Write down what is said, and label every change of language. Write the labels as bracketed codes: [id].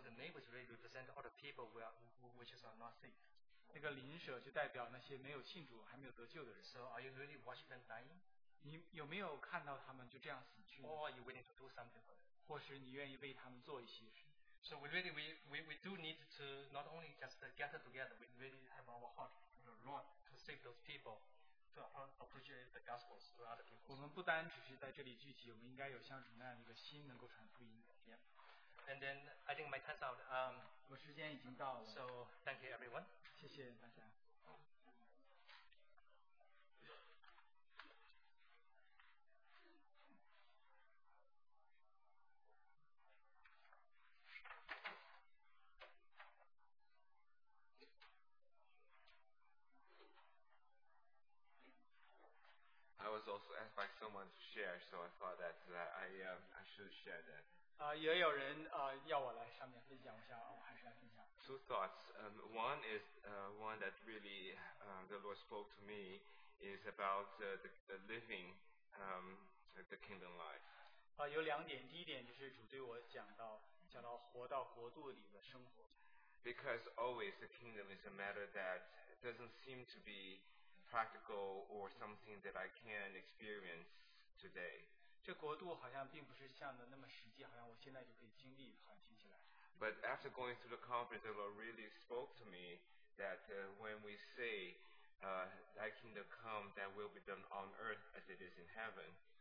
[en] the neighbors really represent all the people which are not saved. [zh] 那个邻舍就代表那些没有信主还没有得救的人。 [en] So are you really watching them dying? [zh] 你有没有看到他们就这样死去？ [en] Or are you willing to do something for them? [zh] 或是你愿意为他们做一些事？ [en] So we do need to not only just get together, we really have our heart to the Lord to save those people, to appreciate the gospels to other people. [zh] 我们不单只是在这里聚集，我们应该有像主那样一个心能够传福音。 [en] Yeah. And then I think my time's out. [zh] 我时间已经到了。 [en] So thank you, everyone. [zh] 谢谢大家。 [en] I was also asked by someone to share, so I thought that I should share that. [zh] 也有人, 要我来上面分享一下，我还是来分享。 [en] Two thoughts. One is one that really the Lord spoke to me is about the living the kingdom life. [zh] 有两点，第一点就是主对我讲到活到国度里的生活。 [en] Because always the kingdom is a matter that doesn't seem to be practical or something that I can experience today. [zh] 这国度好像并不是像的那么实际，好像我现在就可以经历，好像听起来。 [en] But after going through the conference, the Lord really spoke to me that when we say, "Thy kingdom come, that will be done on earth as it is in heaven."